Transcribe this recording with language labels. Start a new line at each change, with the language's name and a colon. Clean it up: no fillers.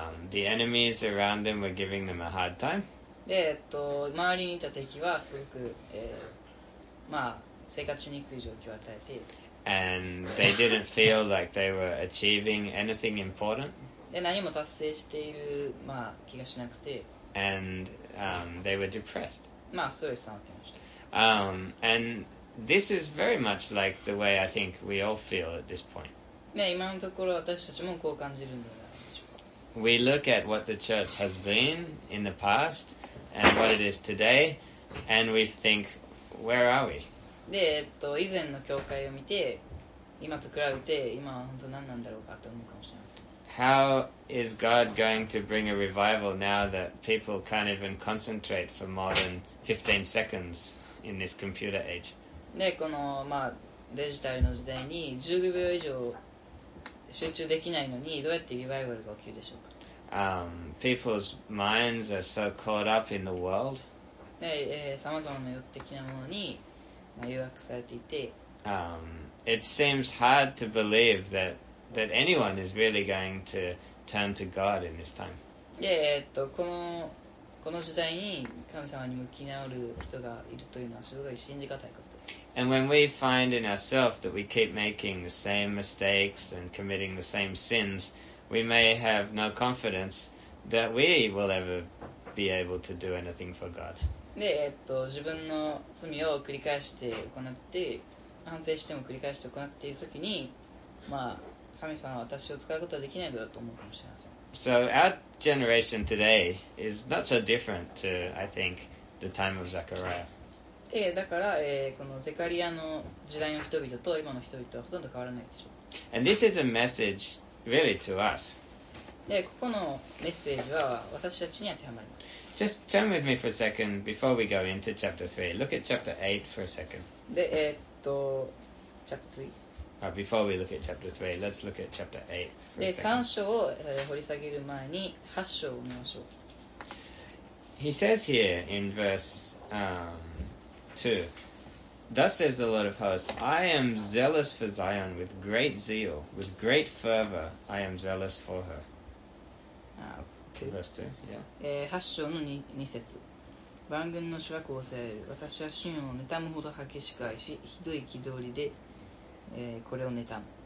English: The enemies around them were giving them a hard time.
Japanese: で、周りにいた敵はすごく、まあ、生活しにくい状況を与えて。
English: And they didn't feel like they were achieving anything important.
Japanese: で、何も達成している、まあ、気がしなくて。
English: And, they were depressed.
Japanese: まあ、ストレスになってました。
English: And,This is very much like the way I think we all feel at this point.
Japanese: ね、今のところ私たちもこう感じるんじゃないでしょうか。
English: We look at what the church has been in the past and what it is today, and we think, where are we?
Japanese: で、以前の教会を見て、今と比べて、今は本当何なんだろうかと思うかもしれません。
English: How is God going to bring a revival now that people can't even concentrate for more than 15 seconds in this computer age?
Japanese: でこの、まあ、デジタルの時代に15秒以上集中できないのにどうやってリバイバルが起きるでしょうか。
English: People's minds are so caught up in the world.
Japanese: で、さまざまな欲的なものに、まあ、誘惑されていて。
English: It seems hard to believe that anyone is really going to turn to God in this time.
Japanese: で、この時代に神様に向き直る人がいるというのはすごい信じがたいことです。
English: And when we find in ourselves that we keep making the same mistakes and committing the same sins, we may have no confidence that we will ever be able to do anything for God.
Japanese: で、自分の罪を繰り返して行って、反省しても繰り返して行っているときに、まあ、神様は私を使うことはできないだろうと思うかもしれません。
English: So our generation today is not so different to, I think, the time of Zechariah.
Japanese: だから、このゼカリアの時代の人々と今の人々はほとんど変わらないでしょう。
English: And this is a message really to us.
Japanese: で、ここのメッセージは私たちに当てはまります。
English: Just turn with me for a second before we go into chapter 3. Look at chapter 8 for a second. で、chapter 3? Before we look at chapter 3, let's look at chapter 8.
Japanese: で、3章を、掘り下げる前に8章を見ましょう。
English: He says here in verse 2, Thus says the Lord of hosts, I am zealous for Zion with great zeal, with great fervor, I am zealous for her. Verse 2, yeah.
Japanese: 8章の 2節。万軍の主は仰せられる。私は神を妬むほど激しく愛し、ひどい憤りで、これを妬む。